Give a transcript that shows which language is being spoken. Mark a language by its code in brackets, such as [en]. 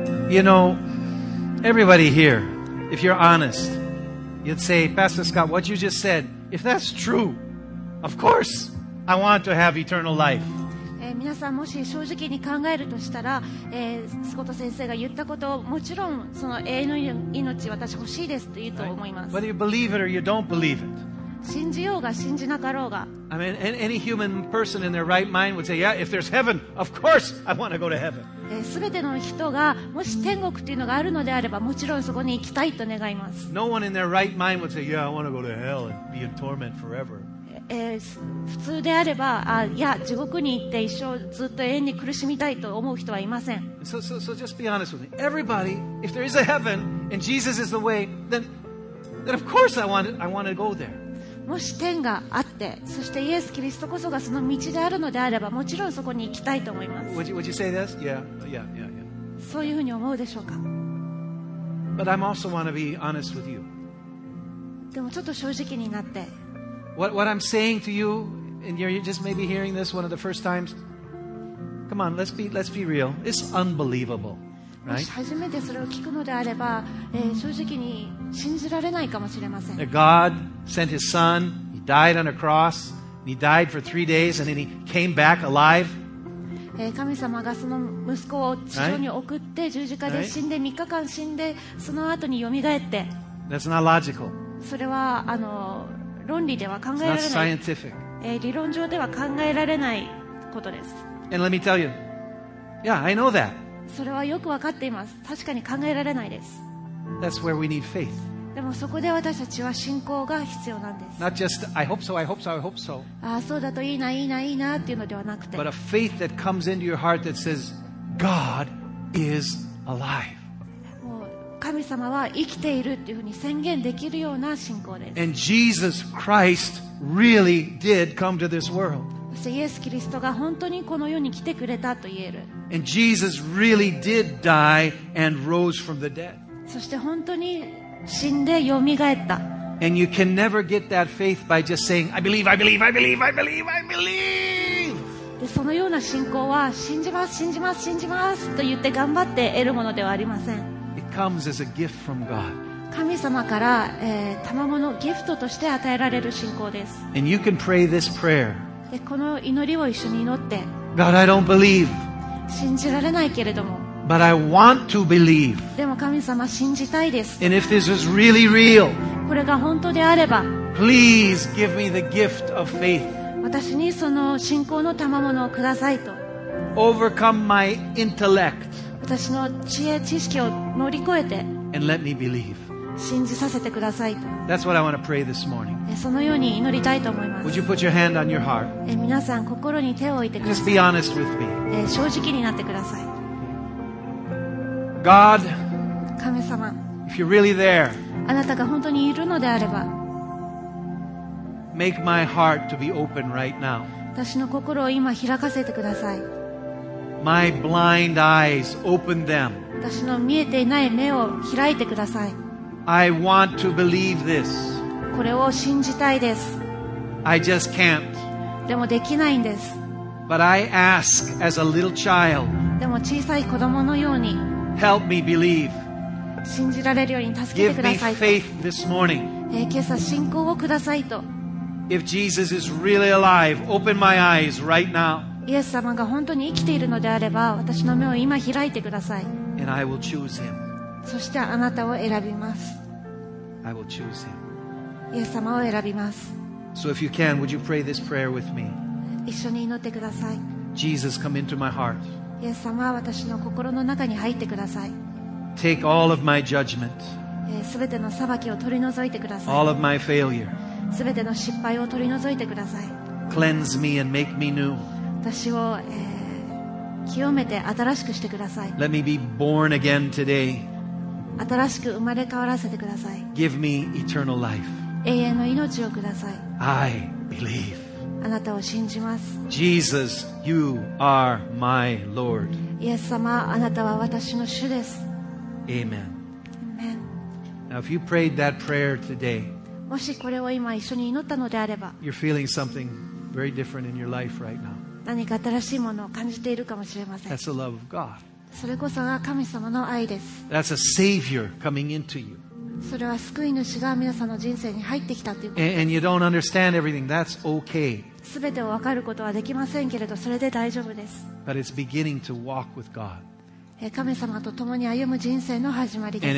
[en] You know, everybody here, if you're honest, you'd say, Pastor Scott, what you just said, if that's true, of course, I want to have eternal life. [ja] 皆さんもし正直に考えるとしたら、スコト先生が言ったことをもちろんその永遠の命私欲しいですと言うと思います。 [en] Whether you believe it or you don't believe it. [ja] 信じようが信じなかろうが。 [en] I mean, any human person in their right mind would say, yeah, if there's heaven, of course I want to go to heaven. [ja] 全ての人がもし天国というのがあるのであればもちろんそこに行きたいと願います。 [en] No one in their right mind would say, yeah, I want to go to hell and be in torment forever. [ja] 普通であれば、あ、いや、地獄に行って一生ずっと永遠に苦しみたいと思う人はいません。 [en] So just be honest with me. Everybody, if there is a heaven and Jesus is the way, then of course I want to go there. [ja] もし天があって、そしてイエス・キリストこそがその道であるのであれば、もちろんそこに行きたいと思います。 [en] Would you say this? Yeah. [ja] そういうふうに思うでしょうか。 [en] But I also want to be honest with you. [ja] でもちょっと正直になって。 [en] What I'm saying to you, and you're just maybe hearing this one of the first times. Come on, let's be real. It's unbelievable. [ja] 初めてそれを聞くのであれば、正直に信じられないかもしれません。 [en] God sent his son, he died on a cross, he died for three days, and then he came back alive. [ja] 神様がその息子を地上に送って十字架で死んで、3日間死んで、その後によみがえって。 [en] That's not logical. [ja] それは、論理では考えられない。 [en] It's not scientific. [ja] 理論上では考えられないことです。 [en] And let me tell you, yeah, I know that. [ja] それはよくわかっています。確かに考えられないです。 [en] That's where we need faith. [ja] でもそこで私たちは信仰が必要なんです。 [en] Not just I hope so, I hope so, I hope so. [ja] ああそうだといいないいないいなっていうのではなくて、 [en] but a faith that comes into your heart that says God is alive. [ja] もう神様は生きているっていうふうに宣言できるような信仰です。 [en] And Jesus Christ really did come to this world. [ja] イエス・キリストが本当にこの世に来てくれたと言える。 [en] And Jesus really did die and rose from the dead. [ja] そして本当に死んでよみがえった。 [en] And you can never get that faith by just saying, I believe, I believe, I believe, I believe, I believe. [ja] でそのような信仰は信じます、信じます、信じますと言って頑張って得るものではありません。 [en] It comes as a gift from God. [ja] 神様から、賜物、ギフトとして与えられる信仰です。 [en] And you can pray this prayer. [ja] でこの祈りを一緒に祈って [en] God, I don't believe. [ja] 信じられないけれども [en] But I want to believe. [ja] でも神様信じたいです [en] And if this is really real, [ja] これが本当であれば [en] Please give me the gift of faith. [ja] 私にその信仰の賜物をくださいと [en] Overcome my intellect. [ja] 私の知恵知識を乗り越えて [en] And let me believe. [ja] 信じさせてくださいと [en] That's what I want to pray this morning [ja] そのように祈りたいと思います [en] Would you put your hand on your heart? [ja] 皆さん心に手を置いてください [en] Just be honest with me. [ja] 正直になってください [en] God, [ja] 神様 [en] if you're really there, [ja] あなたが本当にいるのであれば [en] make my heart to be open right now. [ja] 私の心を今開かせてください [en] my blind eyes, open them. [ja] 私の見えていない目を開いてください [en] I want to believe this [ja] これを信じたいです。 [en] I just can't. [ja] でもできないんです。 [en] But I ask as a little child. [ja] でも小さい子供のように。 [en] Help me believe. [ja] 信じられるように助けてください。 [en] Give me faith this morning. [ja] 今朝信仰をくださいと。 [en] If Jesus is really alive, open my eyes right now. [ja] イエス様が本当に生きているのであれば、私の目を今開いてください。 [en] And I will choose him. [ja] そしてあなたを選びます。 [en] I will choose him. [ja] イエス様を選びます。 [en] So if you can, would you pray this prayer with me? [ja] 一緒に祈ってください。 [en] Jesus, come into my heart. [ja] イエス様は私の心の中に入ってください。 [en] Take all of my judgment. [ja] すべての裁きを取り除いてください。 [en] All of my failure. [ja] すべての失敗を取り除いてください。 [en] Cleanse me and make me new. [ja] 私を、清めて新しくしてください。 [en] Let me be born again today. [ja] 新しく生まれ変わらせてください。 [en] Give me eternal life. [ja] 永遠の命をください。 [en] I believe. [ja] あなたを信じます。 [en] Jesus, you are my Lord. [ja] イエス様、あなたは私の主です。 [en] Amen. Amen. Now, if you prayed that prayer today, [ja] もしこれを今一緒に祈ったのであれば、 [en] you're feeling something very different in your life right now. [ja] 何か新しいものを感じているかもしれません。 [en] That's the love of God. [ja] それこそが神様の愛です。 [en] That's a savior coming into you. [ja] それは救い主が皆さんの人生に入ってきたということです。 [en] And you don't understand everything. That's okay. [ja] 全てを分かることはできませんけれど、それで大丈夫です。 [en] But it's beginning to walk with God. [ja] 神様と共に歩む人生の始まりです。